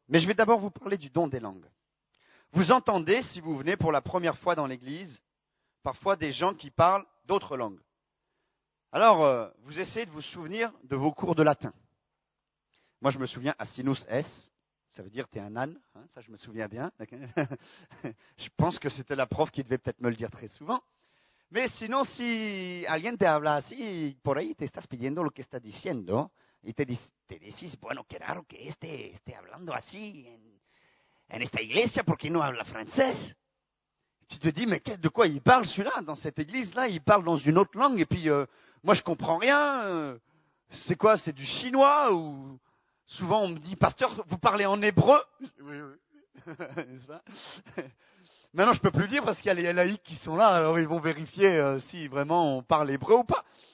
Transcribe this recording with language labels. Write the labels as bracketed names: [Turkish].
[French] Mais je vais d'abord vous parler du don des langues. Vous entendez, si vous venez pour la première fois dans l'église, parfois des gens qui parlent d'autres langues. Alors, vous essayez de vous souvenir de vos cours de latin. Moi, je me souviens [Latin] asinus es, [French] ça veut dire t'es un âne, hein, ça je me souviens bien. Je pense que c'était la prof qui devait peut-être me le dire très souvent. Mais sinon, [Spanish] si alguien te habla así, por ahí te estás pidiendo lo que está diciendo, y te dices, bueno, qué raro que este esté hablando así en esta iglesia porque no habla francés. [French] Tu te dis, mais de quoi il parle celui-là, dans cette église-là, il parle dans une autre langue, et puis moi je comprends rien, c'est quoi, c'est du chinois, ou souvent on me dit, pasteur, vous parlez en hébreu. Oui, oui, oui. Maintenant je peux plus le dire parce qu'il y a les laïcs qui sont là, alors ils vont vérifier si vraiment on parle hébreu ou pas.